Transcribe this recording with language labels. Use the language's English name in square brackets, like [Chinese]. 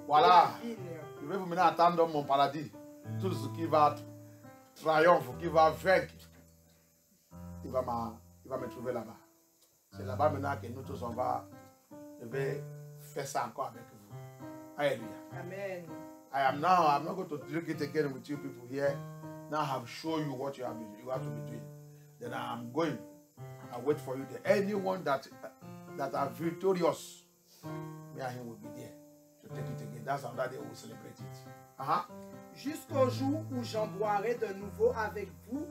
[French] Voilà. Je vais vous mener à attendre mon paradis. Tout ce qui va triompher, qui va vaincre, il va me trouver là-bas. C'est là-bas maintenant que nous tous, je vais faire ça encore avec vous. Alléluia. Amen. [English] I'm not going to drink it again with you people here. Now I have shown you what you have to be doing. Then I'm going. I wait for you there. Anyone that are victorious, me and him will be there to take it again. That's how that they will celebrate it. [French] Jusqu'au jour où j'en boirai de nouveau avec vous.